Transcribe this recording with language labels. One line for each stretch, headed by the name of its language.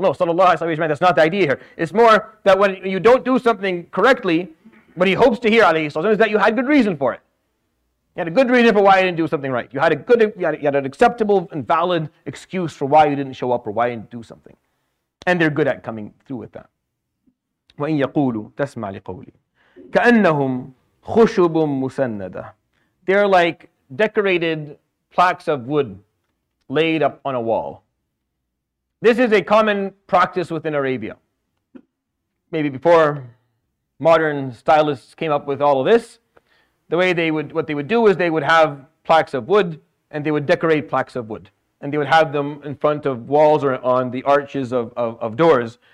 English: No, sallallahu alayhi wa sallam, that's not the idea here. It's more that when you don't do something correctly, what he hopes to hear, alayhi salatu wasalam, is that you had good reason for it. You had a good reason for why you didn't do something right. You had an acceptable and valid excuse for why you didn't show up or why you didn't do something. And they're good at coming through with that.
Arabic: وَإِن يَقُولُوا تَسْمَعْ لِقَوْلِي كَأَنَّهُمْ خُشُبٌ مُسَنَّدَةٌ
English: They're like decorated plaques of wood. laid up on a wall. This is a common practice within Arabia. Maybe before modern stylists came up with all of this, the way they would, what they would do is they would have plaques of wood, and they would decorate plaques of wood, and they would have them in front of walls or on the arches of doors.